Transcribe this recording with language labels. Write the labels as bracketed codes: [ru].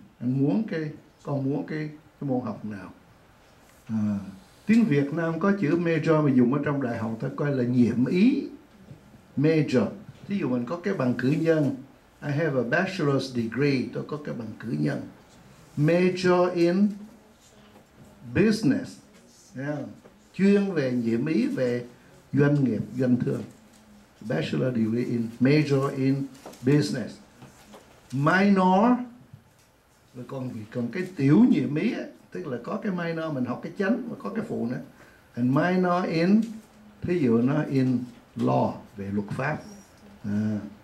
[vi] Anh muốn cái con muốn cái môn học nào? Tiếng Việt Nam có chữ major mà dùng ở trong đại học ta coi là nhiệm ý. Major. Thí dụ mình có cái bằng cử nhân [en] I have a bachelor's degree, [vi] tôi có cái bằng cử nhân. [en] Major in business, yeah. [vi] Chuyên về nhiệm ý về doanh nghiệp, doanh thương. [en] Bachelor degree in, major in business. [vi] Minor, còn cái tiểu nhiệm ý, ấy, tức là có cái minor, mình học cái chánh và có cái phụ nữa. [en] And minor in, [vi] thí dụ nó [en] in law, [vi] về luật pháp. À.